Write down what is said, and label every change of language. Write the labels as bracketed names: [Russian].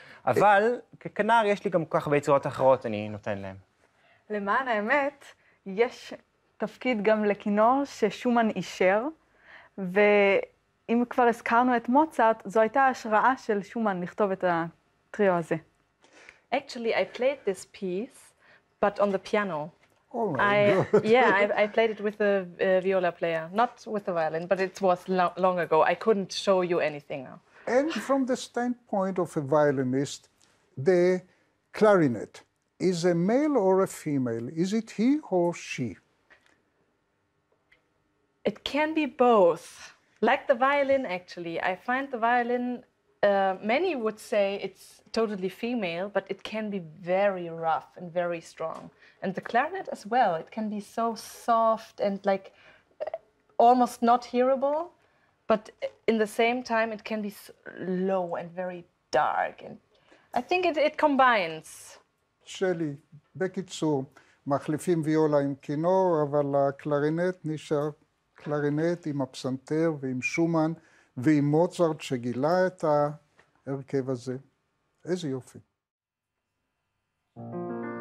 [Hebrew] אבל ככנר יש לי גם כל כך הרבה יצירות אחרות, אני נותן להם. למען האמת, יש תפקיד גם לכינור ששומן אישר, ואם כבר הזכרנו את מוצרט, זו הייתה השראה של שומן לכתוב את הטריו הזה. [English] Actually, I played this piece, but on the piano. Oh my God. I played it with a viola player, not with the violin, but it was long ago. I couldn't show you anything now. And from the standpoint of a violinist, the clarinet, is a male or a female? Is it he or she? It can be both. Like the violin, actually. I find the violin, many would say it's totally female, but it can be very rough and very strong. And the clarinet as well, it can be so soft and like almost not hearable, but in the same time it can be low and very dark. And I think it combines. [Hebrew] שלי, בקיצור, מחליפים ויולה עם כינור, אבל הקלרינט נשאר קלרינט עם הפסנתר ועם שומן ועם מוצרט שגילה את ההרכב הזה. איזה יופי. [English] Thank you.